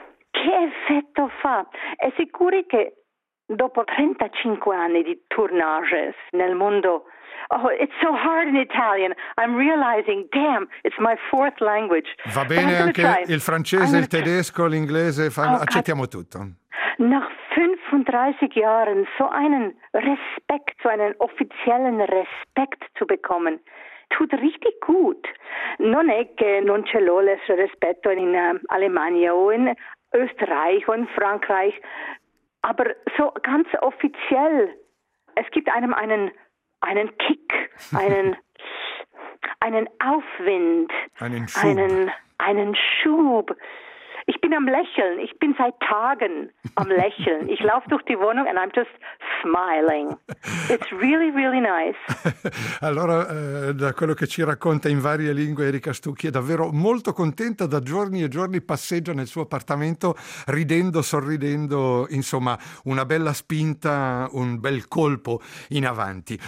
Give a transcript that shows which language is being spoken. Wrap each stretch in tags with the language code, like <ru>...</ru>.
<it>Che effetto fa? È sicuro che dopo 35 anni di tournage nel mondo, oh,</it> <en>it's so hard in Italian, I'm realizing, damn, it's my fourth language.</en> <it>Va bene anche il francese, il tedesco, l'inglese, accettiamo tutto.</it> <de>Nach 35 Jahren so einen Respekt, so einen offiziellen Respekt zu bekommen, tut richtig gut.</de> <it>Non è che non ce l'ho il rispetto in Alemania o in Österreich o in Frankreich,</it> <de>aber so ganz offiziell, es gibt einem einen Kick, einen Aufwind, einen Schub. Ich bin am Lächeln, ich bin seit Tagen am Lächeln. Ich laufe durch die Wohnung</de> <en>and I'm just smiling. It's really, really nice.</en> <it>Allora, da quello che ci racconta in varie lingue Erika Stucchi, è davvero molto contenta, da giorni e giorni passeggia nel suo appartamento ridendo, sorridendo, insomma, una bella spinta, un bel colpo in avanti.</it>